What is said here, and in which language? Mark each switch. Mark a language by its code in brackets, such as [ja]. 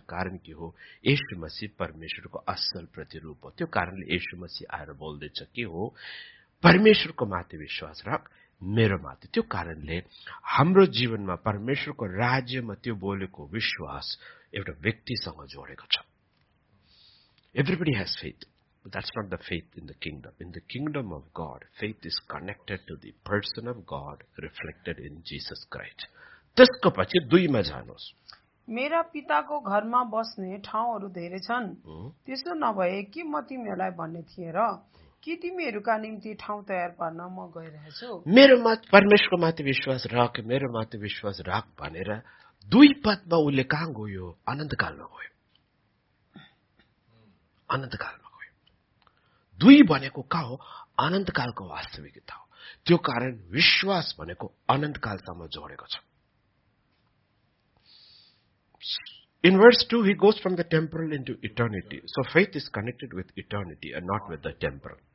[ne] कारण के हो? येशू मसीह परमेश्वरको असल प्रतिरूप हो। त्यो कारणले येशू मसीह आएर बोल्दैछ के हो? परमेश्वरको माथि विश्वास राख, मेरो माथि। त्यो कारणले हाम्रो जीवनमा परमेश्वरको राज्यमा त्यो बोलेको विश्वास एउटा व्यक्तिसँग जोडेको छ। [en] Everybody has faith, That's not the faith in the kingdom. In the kingdom of God, faith is connected to the person of God reflected in Jesus Christ. [ne] त्यसको पछि दुईमा जानुस् मेरा पिताको घरमा बस्ने ठाउँहरु धेरै छन् त्यसो नभए कि म तिमीहरूलाई भन्ने थिए र कि तिमीहरूका निम्ति ठाउँ तयार पार्न म गइरहेछु मेरोमा परमेश्वरको माथि विश्वास राख मेरोमा माथि विश्वास राख भनेर दुई पदमा उसले कहाँ गयो अनन्तकालमा गयो दुई भनेको कहाँ हो अनन्तकालको वास्तविकता हो त्यो कारण विश्वास भनेको अनन्तकालसम्म जोडेको छ [en] In verse 2, he goes from the temporal into eternity. So faith is connected with eternity and not with the temporal.